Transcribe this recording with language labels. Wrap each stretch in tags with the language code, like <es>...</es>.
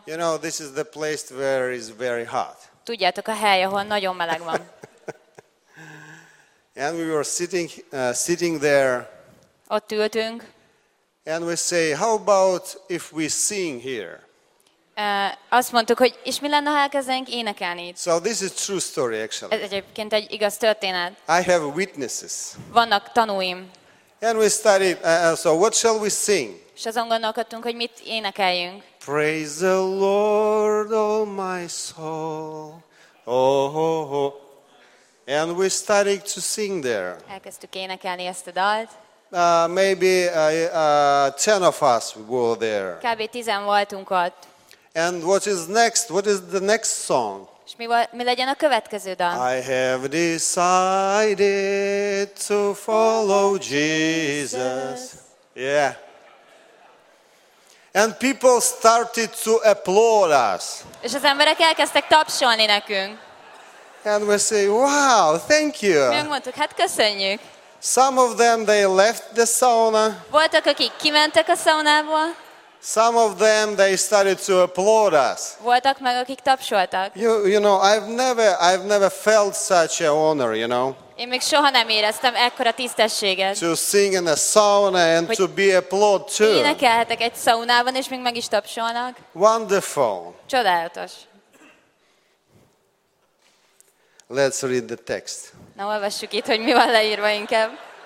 <en>You know, this is the place where it's very hot.</en> <hu>Tudjátok, a hely, ahol nagyon meleg van.</hu> <en>And we were sitting there.</en> <hu>Ott ültünk.</hu> <en>And we say, how about if we sing here?</en> <hu>Azt mondtuk, hogy és mi lenne, ha elkezdenénk énekelni?</hu> <en>So this is true story actually.</en> <hu>Ez egyébként egy igaz történet.</hu> <en>I have witnesses.</en> <hu>Vannak tanúim.</hu> <en>And we started, so what shall we sing?</en> <hu>És azon gondolkodtunk, hogy mit énekeljünk.</hu> <en>Praise the Lord, oh my soul. Oh, oh, oh. And we started to sing there.</en> <hu>Elkezdtük énekelni ezt a dalt.</hu> <en>Maybe 10 of us were there.</en> <hu>Kb. 10 voltunk ott.</hu> <en>And what is next? What is the next song?</en> <hu>És mi legyen a következő dal?</hu> <en>I have decided to follow Jesus. Yeah. And people started to applaud us.</en> <hu>És az emberek elkezdtek tapsolni nekünk.</hu> <en>And we say, wow, thank you.</en> <hu>Mi mondtuk, hát köszönjük.</hu> <en>Some of them, they left the sauna.</en> <hu>Voltak, akik kimentek a szaunából.</hu> <en>Some of them they started to applaud us.</en> <hu>Voltak meg, akik tapsoltak.</hu> <en>You know, I've never felt such an honor, you know.</en> <hu>Én még soha nem éreztem ekkora tisztességet.</hu> <en>To sing in a sauna and to be applauded too.</en> <hu>Énekelhetek egy szaunában és még meg is tapsolnak.</hu> <en>Wonderful.</en> <hu>Csodálatos.</hu> <en>Let's read the text.</en> <hu>Na, olvassuk itt, hogy mi van leírva inkább.</hu>